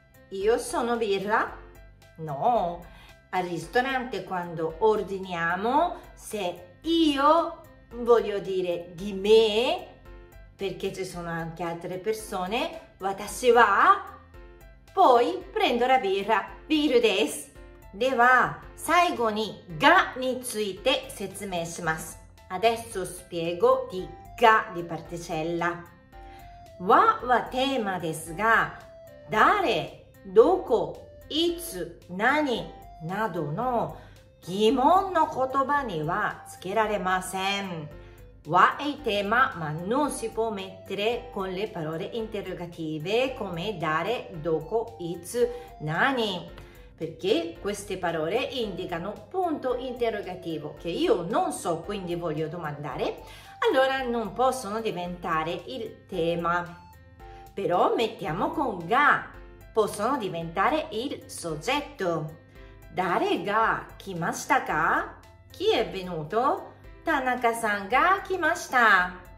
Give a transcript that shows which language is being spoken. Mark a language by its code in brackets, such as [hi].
[it] Io sono birra? No. Al ristorante quando ordiniamo, se io voglio dire di me, perché ci sono anche altre persone, [ja] watashi wa, [it] poi prendo la birra. [ja] Biru desu. Deva, 最後にがについて説明します。 [it] Adesso spiego di がdi particella. [ja] Wa はテーマですが、誰?どこ、いつ、何などの疑問の言葉にはつけられません。はいテーマ、 [it] ma non si può mettere con le parole interrogative come dare, dopo, it's, [ja] 何? [it] Perché queste parole indicano punto interrogativo che io non so, quindi voglio domandare. Allora non possono diventare il tema. Però mettiamo con ga, possono diventare il soggetto. [ja] Dare ga kimashita ka? [it] Chi è venuto? [ja] Tanaka-san が来ました。